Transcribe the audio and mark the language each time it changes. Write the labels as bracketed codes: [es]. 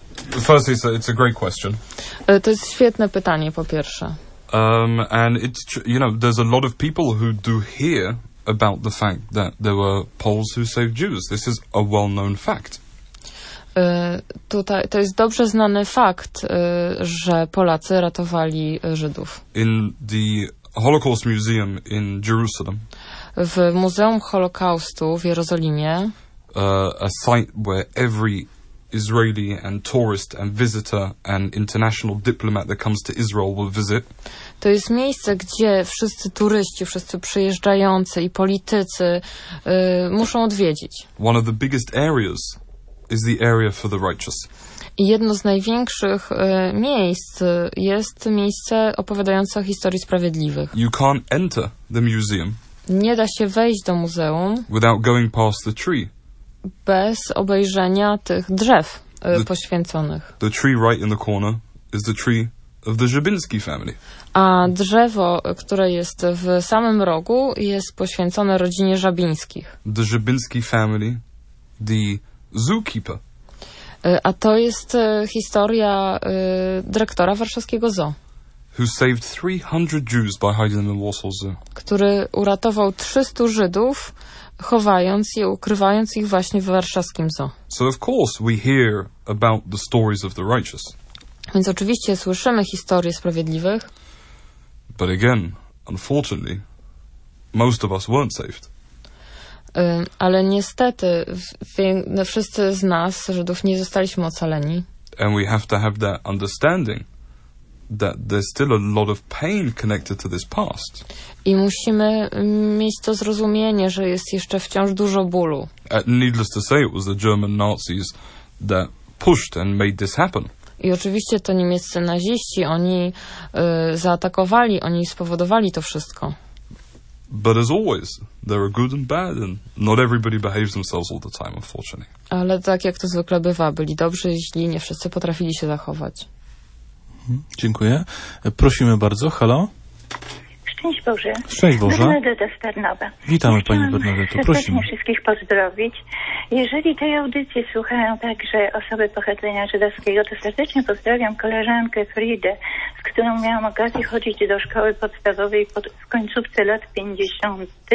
[en] Firstly, it's a great question. [pl] To jest świetne pytanie, po pierwsze. [en] And it's there's a lot of people who do hear about the fact that there were Poles who saved Jews. This is a well-known fact. [pl] Tutaj to jest dobrze znany fakt, że Polacy ratowali Żydów. [en] In the Holocaust Museum in Jerusalem. [pl] W Muzeum Holokaustu w Jerozolimie. [en] A site where every Israeli and tourist and visitor and international diplomat that comes to Israel will visit. [pl] To jest miejsce, gdzie wszyscy turyści, wszyscy przyjeżdżający i politycy muszą odwiedzić. [en] One of the biggest areas is the area for the righteous. [pl] I jedno z największych miejsc jest miejsce opowiadające o historii sprawiedliwych. [en] You can't enter the museum. [pl] Nie da się wejść do muzeum. [en] Without going past the tree. [pl] Bez obejrzenia tych drzew poświęconych. [en] The tree right in the corner is the tree of the Żebiński family. [pl] A drzewo, które jest w samym rogu, jest poświęcone rodzinie Żabińskich. [en] The Żebiński family, the zookeeper. [pl] A to jest historia dyrektora warszawskiego zoo. [en] Who saved 300 Jews by hiding them in Warsaw Zoo. [pl] Który uratował 300 Żydów, chowając je, ukrywając ich właśnie w warszawskim zoo. [en] So of course we hear about the stories of the righteous. [pl] Więc oczywiście słyszymy historie sprawiedliwych. [en] But again, unfortunately, most of us weren't saved. [pl] Ale niestety wszyscy z nas, Żydów, nie zostaliśmy ocaleni. [en] And we have to have that understanding that there's still a lot of pain connected to this past. [pl] I musimy mieć to zrozumienie, że jest jeszcze wciąż dużo bólu. [en] Needless to say, it was the German Nazis that pushed and made this happen. [pl] I oczywiście to niemieccy naziści, oni zaatakowali, oni spowodowali to wszystko. [en] But as always, there are good and bad, and not everybody behaves themselves all the time, unfortunately. [pl] Ale tak jak to zwykle bywa, byli dobrzy, źli, nie wszyscy potrafili się zachować. Dziękuję. Prosimy bardzo. Halo? Szczęść Boże. Szczęść Boże. Bernadeta z Tarnowa. Witamy Pani Bernadeto. Prosimy. Chciałam wszystkich pozdrowić. Jeżeli tej audycji słuchają także osoby pochodzenia żydowskiego, to serdecznie pozdrawiam koleżankę Fridę, z którą miałam okazję chodzić do szkoły podstawowej w końcówce lat 50.